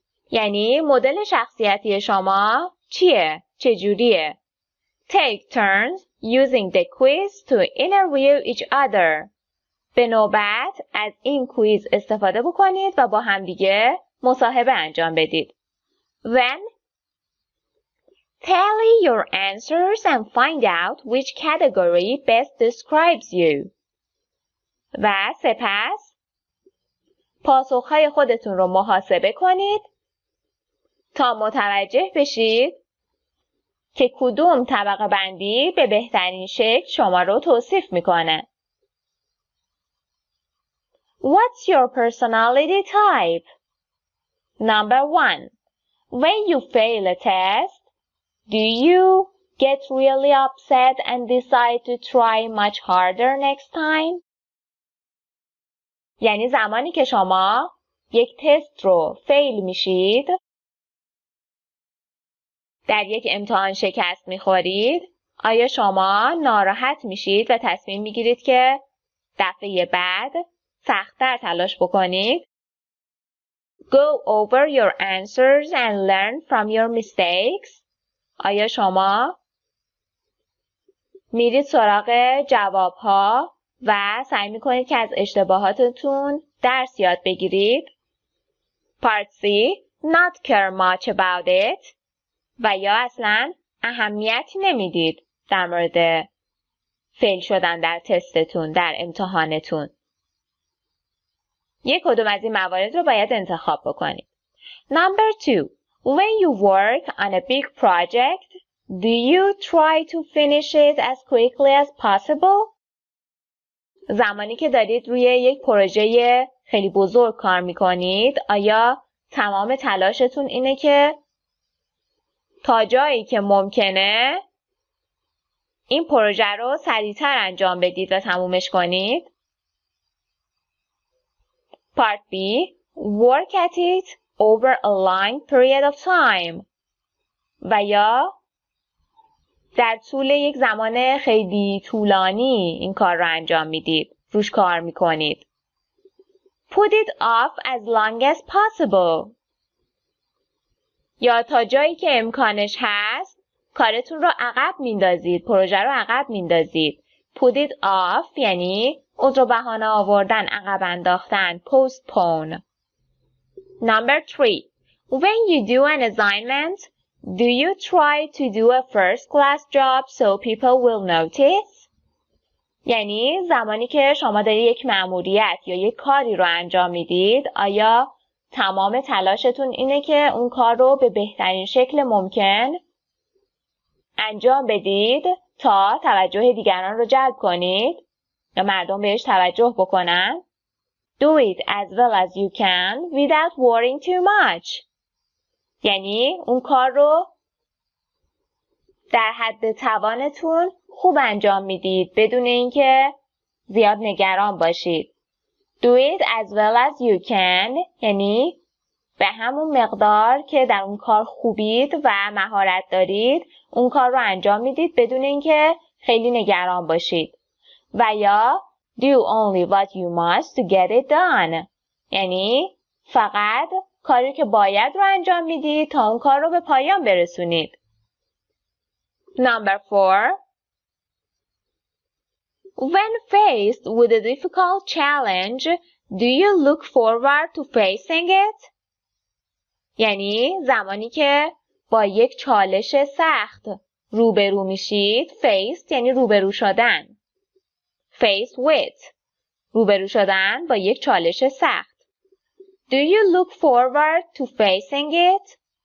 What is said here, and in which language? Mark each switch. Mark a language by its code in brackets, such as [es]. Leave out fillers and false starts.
[fa] یعنی مدل شخصیتی شما چیه؟ چجوریه؟ [en] Take turns using the quiz to interview each other. [fa] به نوبت از این کویز استفاده بکنید و با هم دیگه مصاحبه انجام بدید. [en] Then tally your answers and find out which category best describes you. [fa] و سپس پاسخهای خودتون رو محاسبه کنید تا متوجه بشید که کدوم طبقه بندی به بهترین شکل شما رو توصیف میکنه. [en] What's your personality type? Number 1. When you fail a test, do you get really upset and decide to try much harder next time? [fa] یعنی زمانی که شما یک تست رو فیل میشید، در یک امتحان شکست میخورید، آیا شما ناراحت میشید و تصمیم میگیرید که دفعه بعد سخت‌تر تلاش بکنید؟ [en] Go over your answers and learn from your mistakes. [fa] آیا شما میرید سراغ جواب‌ها و سعی می‌کنید که از اشتباهاتتون درس یاد بگیرید؟ [en] Part C. Not care much about it. [fa] و یا اصلاً اهمیتی نمیدید در مورد فیل شدن در تستتون، در امتحانتون. یک کدوم از این موارد رو باید انتخاب بکنید. [en] Number 2. When you work on a big project, do you try to finish it as quickly as possible? [fa] زمانی که دارید روی یک پروژه خیلی بزرگ کار میکنید، آیا تمام تلاشتون اینه که تا جایی که ممکنه این پروژه رو سریعتر انجام بدید و تمومش کنید؟ [en] Part B. Work at it over a long period of time. [fa] و یا در طول یک زمان خیلی طولانی این کار رو انجام میدید، روش کار میکنید. [en] Put it off as long as possible. [fa] یا تا جایی که امکانش هست کارتون رو عقب میندازید، پروژه رو عقب میندازید. Put it off یعنی عذر و بهانه آوردن، عقب انداختن، postpone. [en] Number 3. When you do an assignment, do you try to do a first class job so people will notice? [fa] یعنی زمانی که شما دارید یک ماموریت یا یک کاری رو انجام میدید، آیا تمام تلاشتون اینه که اون کار رو به بهترین شکل ممکن انجام بدید تا توجه دیگران رو جلب کنید یا مردم بهش توجه بکنن؟ [en] Do it as well as you can without worrying too much. [fa] یعنی اون کار رو در حد توانتون خوب انجام میدید بدون اینکه زیاد نگران باشید. [en] Do it as well as you can [fa] یعنی به همون مقدار که در اون کار خوبید و مهارت دارید اون کار رو انجام میدید بدون اینکه خیلی نگران باشید. و یا [en] Do only what you must to get it done [fa] یعنی فقط کاری که باید رو انجام میدید تا اون کار رو به پایان برسونید. [en] Number 4. When faced with a difficult challenge, do you look forward to facing it? [fa] یعنی زمانی که با یک چالش سخت روبرو میشید، faced یعنی روبرو شدن. Faced with. روبرو شدن با یک چالش سخت. [en] Do you look forward to facing it?